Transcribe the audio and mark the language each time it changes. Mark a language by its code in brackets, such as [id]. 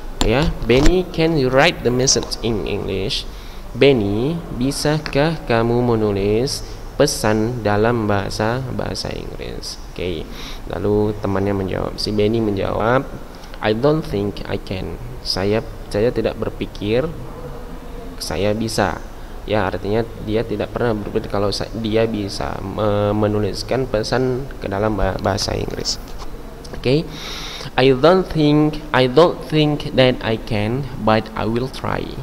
[en] Ya, Benny, can you write the message in English? [id] Benny, bisakah kamu menulis pesan dalam bahasa Inggris? Oke, okay. Lalu temannya menjawab. Si Benny menjawab, [en] I don't think I can. [id] Saya tidak berpikir saya bisa. Ya, artinya dia tidak pernah berpikir kalau dia bisa menuliskan pesan ke dalam bahasa Inggris. Oke, okay. [en] I don't think that I can, but I will try.